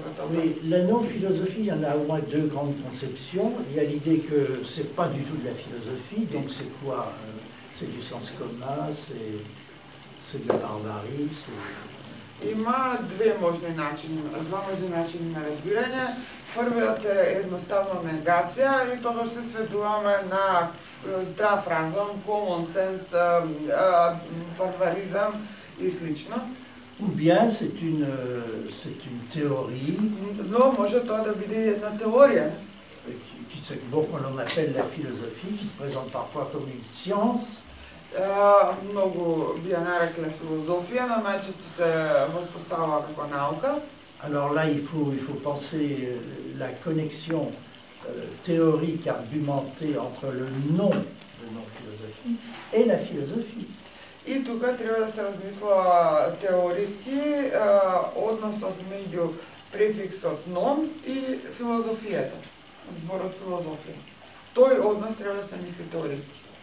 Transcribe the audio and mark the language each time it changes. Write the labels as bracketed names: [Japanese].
[French] oui, la non-philosophie, il y en a au moins deux grandes conceptions. Il y a l'idée que ce n'est pas du tout de la philosophie, donc c'est quoi? C'est du sens commun, c'est de la barbarie, c'est... [Macedonian] Има две можни начини, два можни начини на разбирање. Првиот е едноставно негација и тоа што се сведуваме на здрав разум, [English] common sense, [Macedonian] формализам и слично. [French] Ou bien c'est une théorie. [Macedonian] Но може тоа да биде една теорија. [French] Qui c'est beaucoup on appelle la philosophie qui se présente parfois comme une science. [Macedonian] Многу би ја нарекле филозофија, но најчесто се воспоставува како наука. [French] Alors là, il faut penser la connexion théorique argumentée entre le non philosophie et la philosophie. [Macedonian] И тука треба да се размисла теориски односот меѓу префиксот non и филозофијата, зборот филозофија. Тој однос треба да се мисли теориски.